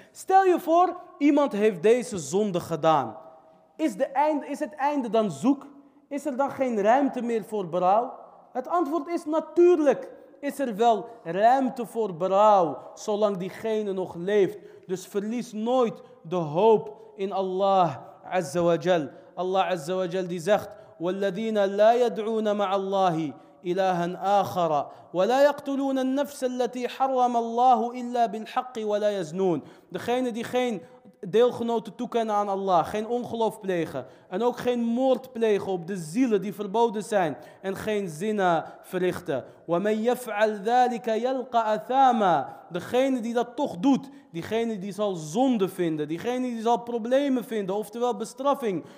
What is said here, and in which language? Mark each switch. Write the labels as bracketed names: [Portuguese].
[Dutch] Stel je voor, iemand heeft deze zonde gedaan. Is het einde dan zoek? Is er dan geen ruimte meer voor berouw? Het antwoord is natuurlijk. Is er wel ruimte voor berouw, zolang diegene nog leeft. Dus verlies nooit de hoop in Allah Azza wa Jal. Allah Azza wa Jal die zegt, [Arabic] وَالَّذِينَ لَا يَدْعُونَ مَعَ اللَّهِ إِلَٰهًا آخَرَ وَلَا يَقْتُلُونَ النَّفْسَ الَّتِي حَرَّمَ اللَّهُ إِلَّا بِالْحَقِّ وَلَا يَزْنُونَ. [Dutch] Degene die geen deelgenoten toekennen aan Allah, geen ongeloof plegen en ook geen moord plegen op de zielen die verboden zijn en geen zina verrichten. [Arabic] وَمَنْ يَفْعَلْ ذَلِكَ يَلْقَ أَثَامًا. [Dutch] Degene die dat toch doet, diegene die zal zonde vinden, diegene die zal problemen vinden, oftewel bestraffing.